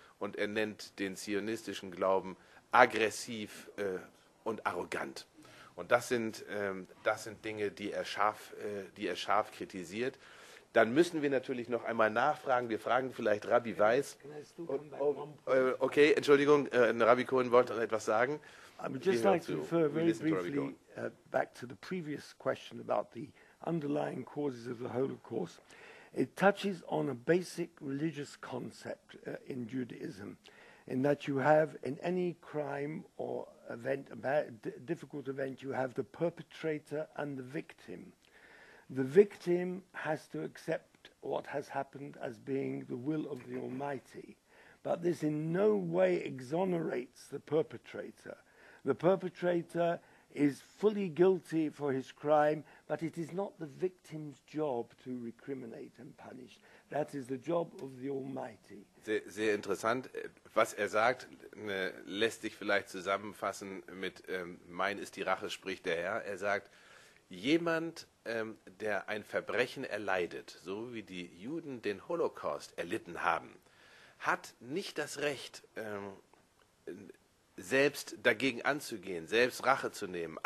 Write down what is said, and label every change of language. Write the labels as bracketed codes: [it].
[de] Und er nennt den zionistischen Glauben aggressiv und arrogant. Und das sind Dinge, die er scharf kritisiert. Dann müssen wir natürlich noch einmal nachfragen. Wir fragen vielleicht Rabbi Weiss. Okay, Entschuldigung, Rabbi Cohen wollte noch etwas sagen. [en] I would just like to refer very briefly back to the previous question about the underlying causes of the Holocaust. It touches on a basic religious concept in Judaism, in that you have in any crime or event, a difficult event, you have the perpetrator and the victim. The victim has to accept what has happened as being the will of the Almighty. But this in no way exonerates the perpetrator. The perpetrator is fully guilty for his crime, but it is not the victim's job to recriminate and punish. That is the job of the Almighty. [de] Sehr, sehr interessant. Was er sagt, lässt sich vielleicht zusammenfassen mit mein ist die Rache, spricht der Herr. Er sagt, jemand, der ein Verbrechen erleidet, so wie die Juden den Holocaust erlitten haben, hat nicht das Recht, selbst dagegen anzugehen, selbst Rache zu nehmen.